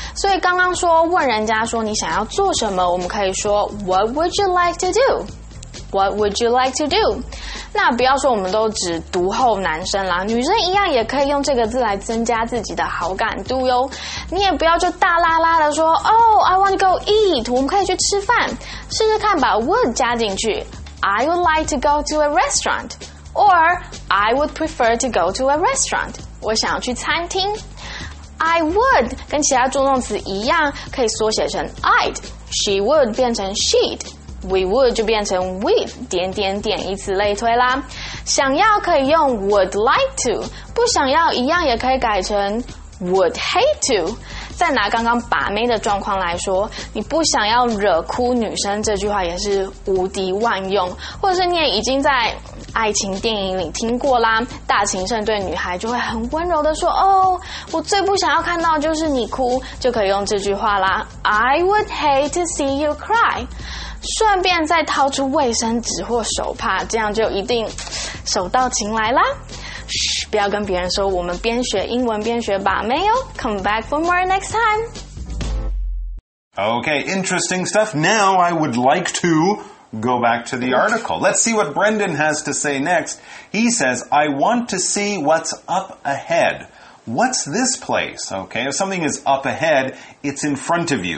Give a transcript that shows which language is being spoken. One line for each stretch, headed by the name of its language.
Chinese: 所以刚刚说问人家说你想要做什么，我们可以说
English: What would you like to do? What would you like to do?
Chinese: 那不要说我们都只读后男生啦，女生一样也可以用这个字来增加自己的好感度哟。你也不要就大啦啦的说
English: Oh, I want to go eat,
Chinese: 我们可以去吃饭。试试看把
English: would
Chinese: 加进去
English: I would like to go to a restaurant. Or, I would prefer to go to a restaurant.
Chinese: 我想要去餐厅。
English: I would,
Chinese: 跟其他助动词一样，可以缩写成 I'd. She would 变成 she'd. We would 就变成 we'd, 点点点，以此类推啦。想要可以用 would like to, 不想要一样也可以改成 would hate to. 再拿刚刚把妹的状况来说，你不想要惹哭女生这句话也是无敌万用，或者是你也已经在爱情电影里听过啦，大情圣对女孩就会很温柔的说哦，我最不想要看到就是你哭，就可以用这句话啦
English: I would hate to see you cry，
Chinese: 顺便再掏出卫生纸或手帕，这样就一定手到擒来啦。嘘，不要跟别人说我们边学英文边学把妹哦。
English: Come back for more next time. Okay, interesting stuff. Now I would like to go back to the article. Let's see what Brendan has to say next. He says, I want to see what's up ahead. What's this place? Okay, if something is up ahead, it's in front of you.